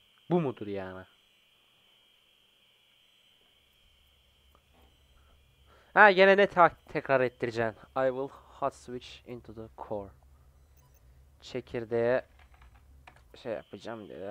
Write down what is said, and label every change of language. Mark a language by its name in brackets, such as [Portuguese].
[Turkish] Bu mudur yani? Ha, gene ne tekrar ettireceksin? [English] I will hot switch into the core. [Turkish] Çekirdeğe şey yapacağım dedi.